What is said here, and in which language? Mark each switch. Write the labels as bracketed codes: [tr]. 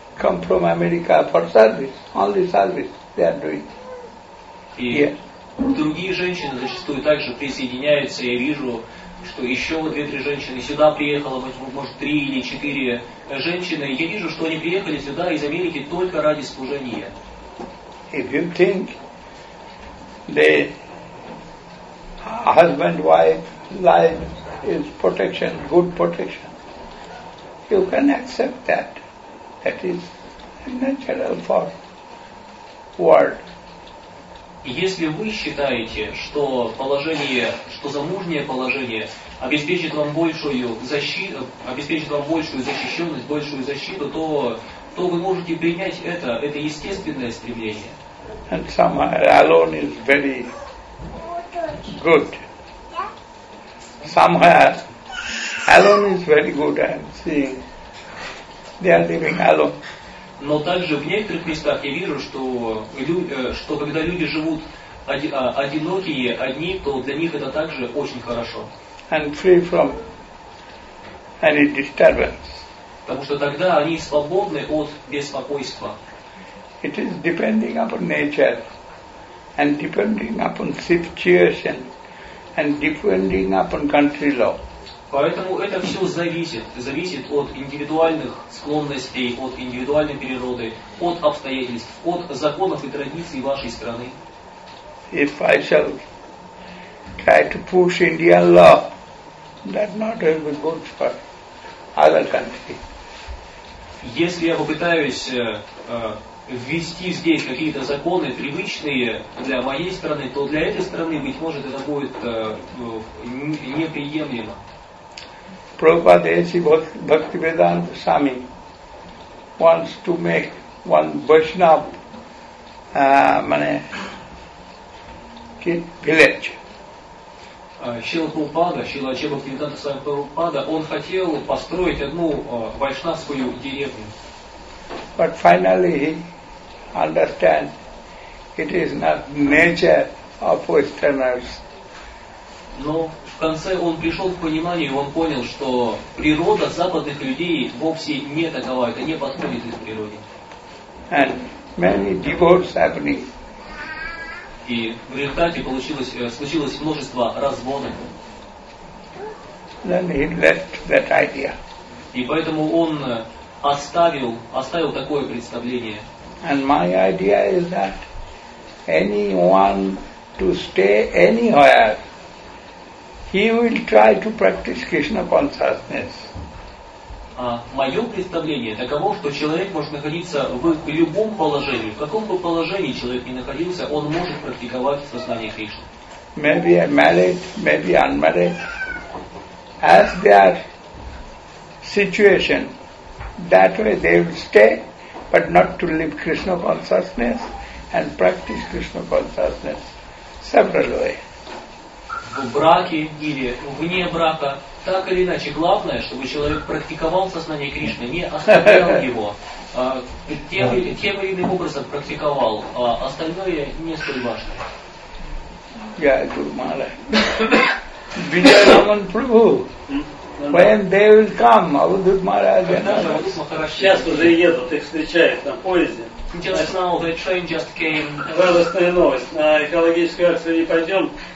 [en] come from America for service, only service they are doing. [ru] Другие женщины зачастую также присоединяются. Я вижу, что еще 2-3 женщины сюда приехало, может, 3 или 4 женщины. Я вижу, что они приехали сюда из Америки только ради служения. [en] If you think the husband-wife life is protection, good protection, you can accept that. That is natural for world. [ru] Если вы считаете, что положение, что замужнее положение обеспечит вам большую защиту, большую защищенность, то вы можете принять это естественное стремление. [en] And somewhere alone is very good. Somewhere alone is very good. I'm seeing they are living alone. [ru] Но также в некоторых местах я вижу, что когда люди живут одинокие, одни, то для них это также очень хорошо. [en] And free from any disturbance. [ru] Потому что тогда они свободны от беспокойства. [en] It is depending upon nature and depending upon situation and depending upon country law. [ru] Поэтому это все зависит от индивидуальных склонностей, от индивидуальной природы, от обстоятельств, от законов и традиций вашей страны. [en] If I shall try to push Indian law, that not will be good for other country. [ru] Если я попытаюсь ввести здесь какие-то законы, привычные для моей страны, то для этой страны, быть может, это будет неприемлемо. [en] Prabhupada Esi Bhaktivedanta Swami wants to make one Vaishnava village. [ru] Srila Prabhupada, Srila Acharya Bhaktivedanta Swami Prabhupada, он хотел построить одну вайшнавскую деревню. [en] But finally he understands it is not nature of Westerners. [ru] Но в конце он пришел к пониманию, он понял, что природа западных людей вовсе не такова, это не подходит их природе. [en] And many divorces happening. [ru] И в результате случилось множество разводов. [en] Then he left that idea. [ru] И поэтому он оставил такое представление. [en] And my idea is that anyone to stay anywhere, he will try to practice Krishna consciousness. [ru] Мое представление таково, что человек может находиться в любом положении, в каком бы положении человек ни находился, он может практиковать сознание Кришны. [en] Maybe married, maybe unmarried. As their situation, that way they will stay, but not to live Krishna consciousness and practice Krishna consciousness several ways. [ru] В браке или вне брака, так или иначе, главное, чтобы человек практиковал сознание Кришны, не оставлял его, тем или иным образом практиковал, а остальное не столь важно. Я Гурмала. Виджаяман Прабху. [en] When they will come, Avadhut Maharaj and others. [ru] Сейчас уже едут, их встречают на поезде. [en] Just now the train just came. [ru] Радостная новость. На экологическую акцию не пойдем.